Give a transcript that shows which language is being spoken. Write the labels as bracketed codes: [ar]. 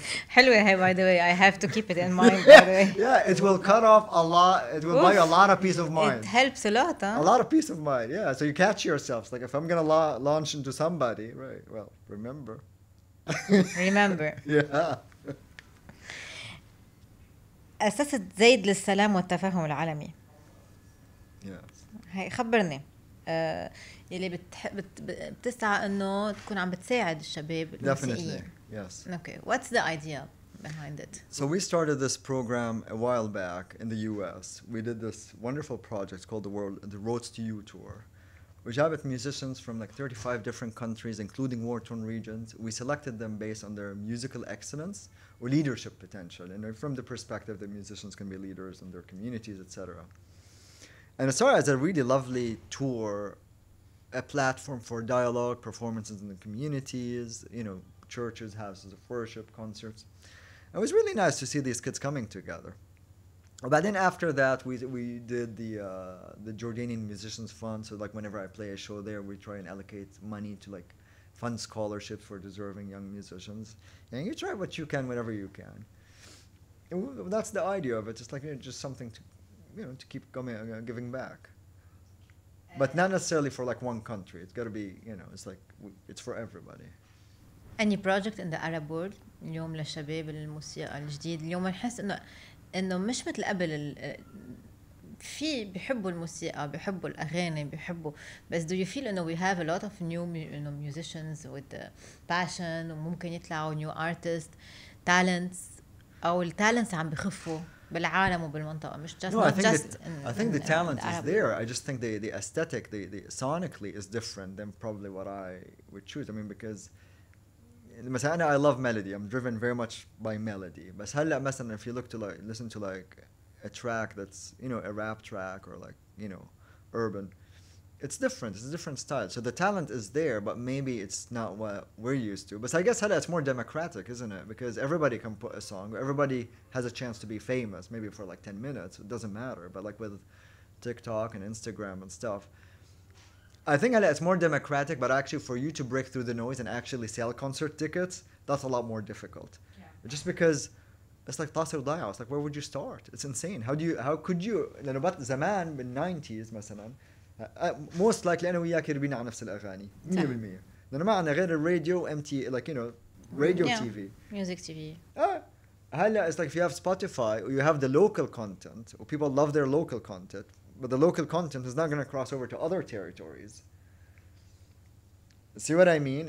[ar] حلوة هاي, [en] by the way. I have to keep it in mind. Yeah, it will cut off a lot. It will buy you a lot of peace of mind. It helps a lot, huh? A lot of peace of mind, yeah. So you catch yourselves. Like, if I'm going to launch into somebody, right, well, remember. Remember. Yeah. [ar] أسست زيد للسلام والتفاهم العالمي. [en] Yes. [ar] هاي خبرني يلي بتسعى إنه تكون عم بتساعد الشباب. [en] Definitely. Yes. Okay. What's the idea behind it? So we started this program a while back in the U.S. We did this wonderful project called the Roads to You Tour, which had musicians from like 35 different countries, including war-torn regions. We selected them based on their musical excellence or leadership potential, and from the perspective that musicians can be leaders in their communities, etc. And it started as a really lovely tour, a platform for dialogue, performances in the communities, you know, churches, houses of worship, concerts. It was really nice to see these kids coming together. But then after that, we did the Jordanian Musicians Fund. So like whenever I play a show there, we try and allocate money to like fund scholarships for deserving young musicians. And you try what you can, whatever you can. And that's the idea of it. It's like, you know, just something to, you know, to keep coming, giving back. But not necessarily for like one country. It's got to be, you know, it's like it's for everybody. Any project in the Arab world? [ar] اليوم للشباب الموسيقى الجديد اليوم نحس إنه مش مثل قبل في بيحبوا الموسيقى بيحبوا الأغاني بيحبوا بس [en] do you feel [ar] إنه [en] we have a lot of new musicians with passion [ar] وممكن يطلعوا [en] new artists talents [ar] أو التالنتس عم بيخفوا بالعالم وبالمنطقة مش just [en] no, I think the talent is there. I just think the aesthetic the sonically is different than probably what I would choose. I mean because مثلاً I love melody. I'm driven very much by melody. بس هلا مثلاً if you look to like listen to like a track that's you know a rap track or like you know urban, it's different. It's a different style. So the talent is there, but maybe it's not what we're used to. But I guess هلا it's more democratic, isn't it? Because everybody can put a song. Everybody has a chance to be famous. Maybe for like 10 minutes. It doesn't matter. But like with TikTok and Instagram and stuff. I think it's more democratic, but actually for you to break through the noise and actually sell concert tickets, that's a lot more difficult. Yeah. Just because it's like [ar] تصير ضايعة. [en] It's like, where would you start? It's insane. How could you? [ar] لأنه بات زمان بالنينتيز مثلاً, [en] most likely [ar] أنا وياك يربينا على نفس الأغاني 100%. لأنه ما عنا غير الراديو MT, [en] like, you know, radio TV. Music TV. هلا it's like if you have Spotify, or you have the local content, or people love their local content, but the local content is not going to cross over to other territories. See what I mean?